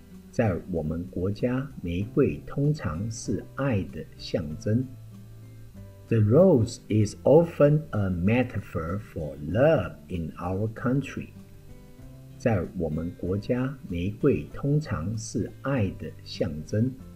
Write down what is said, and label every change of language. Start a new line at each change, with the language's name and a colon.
Chinese: 在我们国家，玫瑰通常是爱的象征。
English: The rose is often a metaphor for love in our country.
Chinese: 在我们国家，玫瑰通常是爱的象征。